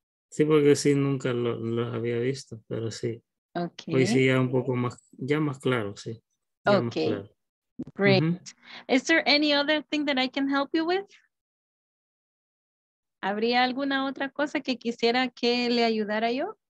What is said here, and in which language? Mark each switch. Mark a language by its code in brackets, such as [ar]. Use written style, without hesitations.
[es] Sí, porque sí, nunca lo había visto, pero sí. Okay. Hoy sí ya un poco más, ya más claro, sí. Ya okay. Más claro. Great. Mm-hmm. [en] Is there any other thing that I can help you with? [es] ¿Habría alguna otra cosa que quisiera que le ayudara yo?